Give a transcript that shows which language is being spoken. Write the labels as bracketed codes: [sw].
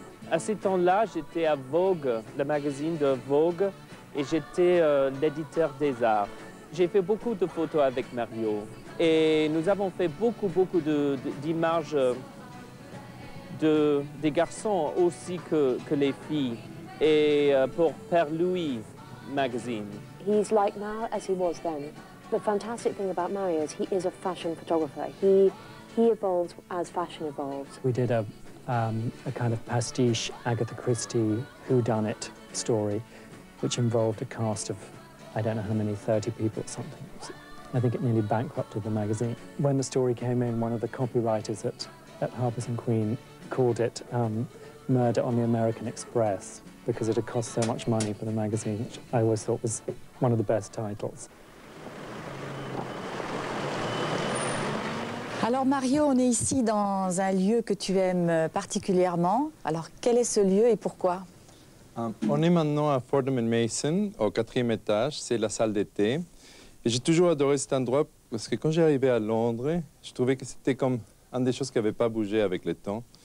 [fr] À ces temps-là, j'étais à Vogue, le magazine de Vogue, et j'étais l'éditeur des arts. J'ai fait beaucoup de photos avec Mario et nous avons fait beaucoup d'images des garçons aussi que les filles et pour Père Louis magazine. [en] He's like now as he was then. The fantastic thing about Mario is he is a fashion photographer. He evolves as fashion evolves. We did a kind of pastiche Agatha Christie whodunit story, which involved a cast of, I don't know how many, 30 people or something. I think it nearly bankrupted the magazine. When the story came in, one of the copywriters at Harper's & Queen called it Murder on the American Express because it had cost so much money for the magazine, which I always thought was one of the best titles. [fr] Alors Mario, on est ici dans un lieu que tu aimes particulièrement. Alors quel est ce lieu et pourquoi? On est maintenant à Fordham & Mason, au 4e étage. C'est la salle d'été. Et j'ai toujours adoré cet endroit parce que quand j'ai arrivé à Londres, je trouvais que c'était comme une des choses qui n'avait pas bougé avec le temps.